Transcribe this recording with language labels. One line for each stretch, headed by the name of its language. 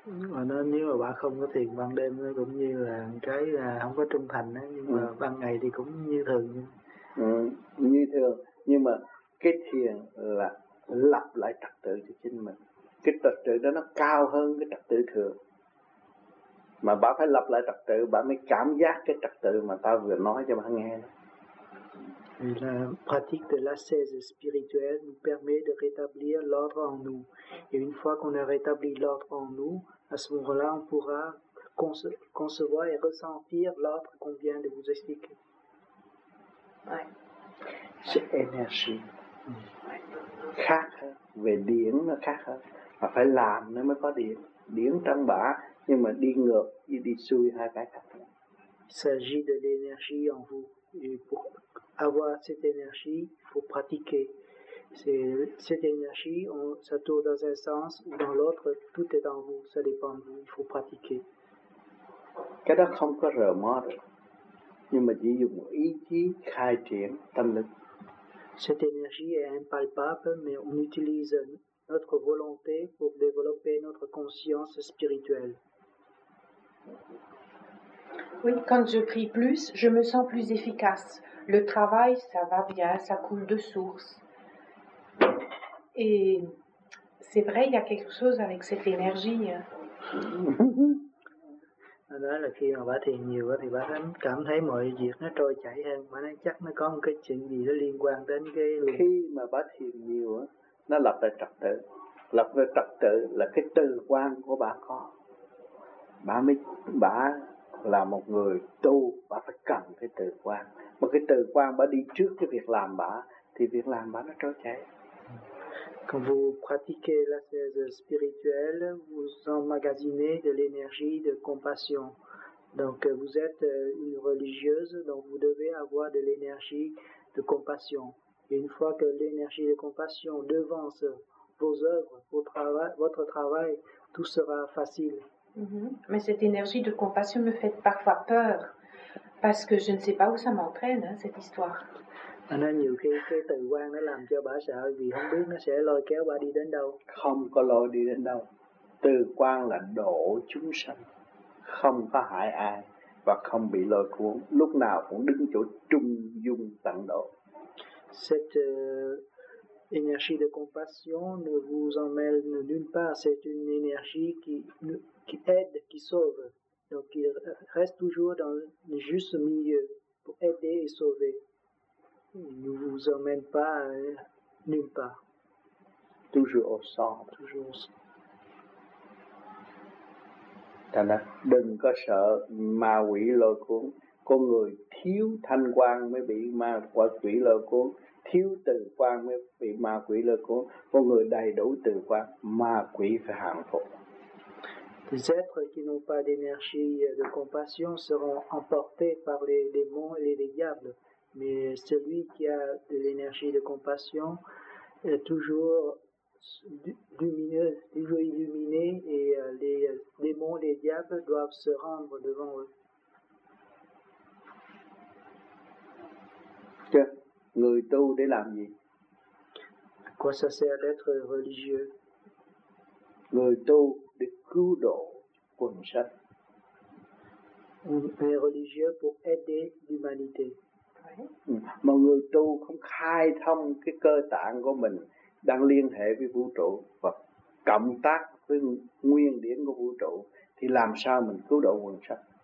Vietnamese: Mà nó nếu mà bà không có thiền ban đêm nó cũng như là cái là không có trung thành á, nhưng mà ban ngày thì cũng như thường. Ừ, như thường, nhưng mà cái thiền là lập lại trật tự cho chính mình. Cái trật tự đó nó cao hơn cái trật tự thường. Mà bà phải lập lại trật tự, bà mới cảm giác cái trật tự mà ta vừa nói cho bà nghe đó.
French: La pratique de l'ascèse spirituelle nous permet de rétablir l'ordre en nous. Et une fois qu'on a rétabli l'ordre en nous, à ce moment-là, on pourra concevoir et ressentir l'ordre qu'on vient de vous expliquer. Ouais. C'est énergie.
Vietnamese: Khác về điển nó khác hơn. Mà phải làm nó mới có điển. Điển trong bả, nhưng mà đi ngược, đi xuôi hai cái khác.
French: Il s'agit de l'énergie en vous. Et pour avoir cette énergie, il faut pratiquer. C'est, cette énergie, ça tourne dans un sens ou dans l'autre, tout est en vous, ça dépend de vous, il faut pratiquer.
Vietnamese: Cái đó không có rờ mó được, nhưng mà chỉ dùng ý chí khai triển tâm lực.
French: Cette énergie est impalpable, mais on utilise notre volonté pour développer notre conscience spirituelle. Oui, quand je prie plus, je me sens plus efficace. Le travail, ça va bien, ça coule de source. Et c'est vrai, il y a quelque chose avec cette énergie. Alors, là,
Vietnamese: khi mà bà thiền nhiều quá thì bà cảm thấy mọi việc nó trôi chảy hơn, mà nó chắc nó có một cái chuyện gì đó liên quan đến cái. Khi mà bà thiền nhiều nó lập lại trật tự. Lập lại trật tự là cái tư quan của bà có. Bà mới, bà là một người tu, bà phải cần cái tư quan. Mà cái tư quan bà đi trước cái việc làm bà, thì việc làm bà nó trôi chảy.
French: Quand vous pratiquez la thèse spirituelle, vous emmagasinez de l'énergie de compassion. Donc vous êtes une religieuse, donc vous devez avoir de l'énergie de compassion. Et une fois que l'énergie de compassion devance vos œuvres, votre travail, tout sera facile. Mm-hmm. Mais cette énergie de compassion me fait parfois peur, parce que je ne sais pas où ça m'entraîne, hein, cette histoire.
Vietnamese: Anh nói nhiều khi cái từ quan nó làm cho bà sợ vì không biết nó sẽ lôi kéo bà đi đến đâu. Không có lôi đi đến đâu. Từ quan là độ chúng sanh, không có hại ai và không bị lôi cuốn, lúc nào cũng đứng chỗ trung dung tận độ.
French: Cette énergie de compassion ne vous emmène nulle part, c'est une énergie qui aide, qui sauve. Donc il reste toujours dans le juste milieu pour aider et sauver. Il ne vous emmène pas nulle part. Toujours au centre. Toujours au centre.
Vietnamese: Đừng có sợ ma quỷ lôi cuốn. Con người thiếu thanh quang mới bị ma quỷ lôi cuốn. Thiếu từ quang mới bị ma quỷ lôi cuốn. Con người đầy đủ từ quang, ma quỷ phải hạng phục.
French: Les êtres qui n'ont pas d'énergie de compassion seront emportés par les démons et les diables. Mais celui qui a de l'énergie de compassion est toujours lumineux, toujours illuminé, et les démons, les diables doivent se rendre devant eux.
Vietnamese: Người tu để làm gì?
French: À quoi ça sert d'être religieux?
Vietnamese: Người tu để cứu độ quần sanh.
French: Un religieux pour aider l'humanité.
Vietnamese: Mà người tu không khai thông cái cơ tạng của mình đang liên hệ với vũ trụ và cộng tác với nguyên điển của vũ trụ thì làm sao mình cứu độ quần sanh?